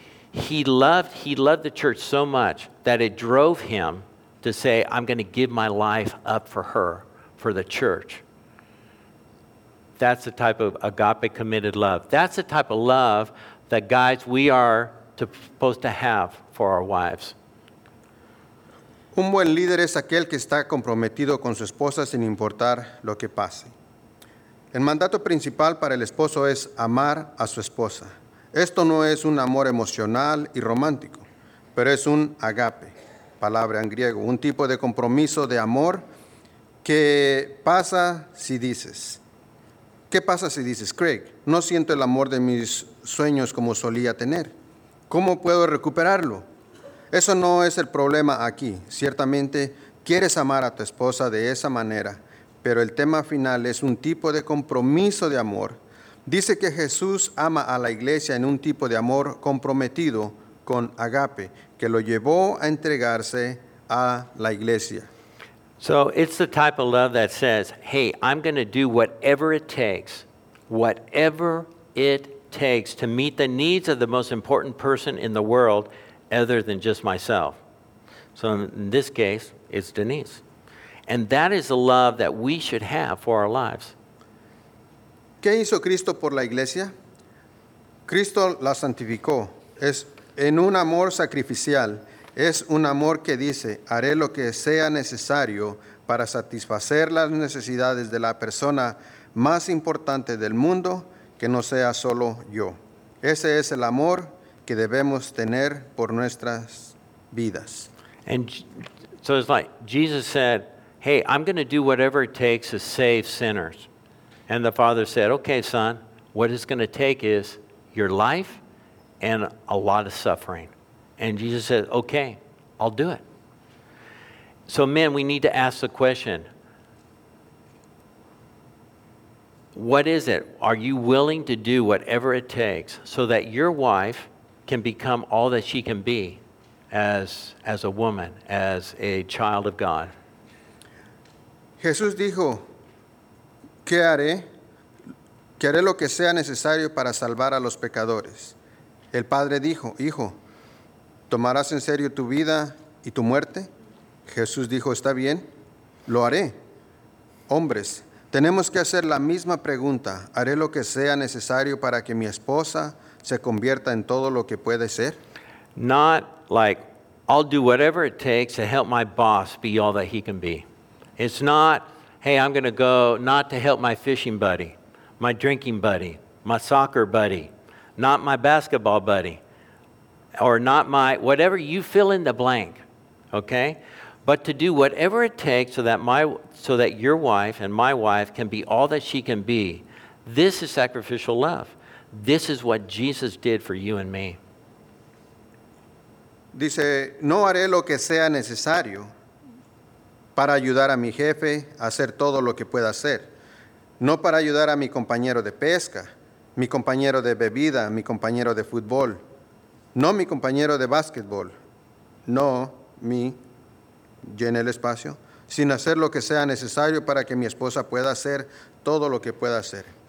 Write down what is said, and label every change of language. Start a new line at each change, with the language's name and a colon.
English: He loved the church so much that it drove him to say, I'm going to give my life up for her, for the church. That's the type of agape, committed love. That's the type of love that, guys, we are supposed to have for our wives.
Spanish: Un buen líder es aquel que está comprometido con su esposa sin importar lo que pase. El mandato principal para el esposo es amar a su esposa. Esto no es un amor emocional y romántico, pero es un agape, palabra en griego, un tipo de compromiso de amor que pasa si dices. ¿Qué pasa si dices, Craig? No siento el amor de mis sueños como solía tener. ¿Cómo puedo recuperarlo? Eso no es el problema aquí. Ciertamente, quieres amar a tu esposa de esa manera, pero el tema final es un tipo de compromiso de amor. Dice que Jesús ama a la iglesia en un tipo de amor comprometido con agape, que lo llevó a entregarse a la iglesia.
English: So it's the type of love that says, hey, I'm going to do whatever it takes to meet the needs of the most important person in the world other than just myself. So in this case, it's Denise. And that is the love that we should have for our lives.
Spanish: ¿Qué hizo Cristo por la iglesia? Cristo la santificó. Es en un amor sacrificial. Es un amor que dice, haré lo que sea necesario para satisfacer las necesidades de la persona más importante del mundo, que no sea solo yo. Ese es el amor que debemos tener por nuestras vidas.
English: And so it's like, Jesus said, hey, I'm going to do whatever it takes to save sinners. And the father said, okay, son, what it's going to take is your life and a lot of suffering. And Jesus said, okay, I'll do it. So men, we need to ask the question, what is it? Are you willing to do whatever it takes so that your wife can become all that she can be as a woman, as a child of God?
Spanish: Jesús dijo, ¿qué haré? Que haré lo que sea necesario para salvar a los pecadores. El padre dijo, hijo, ¿tomarás en serio tu vida y tu muerte? Jesús dijo, está bien, lo haré. Hombres, tenemos que hacer la misma pregunta. ¿Haré lo que sea necesario para que mi esposa se convierta en todo lo que puede ser?
English: Not like, I'll do whatever it takes to help my boss be all that he can be. It's not, hey, I'm going to go not to help my fishing buddy, my drinking buddy, my soccer buddy, not my basketball buddy, or not my, whatever you fill in the blank, okay? But to do whatever it takes so that your wife and my wife can be all that she can be, this is sacrificial love. This is what Jesus did for you and me.
Spanish: Dice, no haré lo que sea necesario para ayudar a mi jefe a hacer todo lo que pueda hacer. No para ayudar a mi compañero de pesca, mi compañero de bebida, mi compañero de fútbol. No mi compañero de básquetbol, no mi, llene el espacio, sin hacer lo que sea necesario para que mi esposa pueda hacer todo lo que pueda hacer.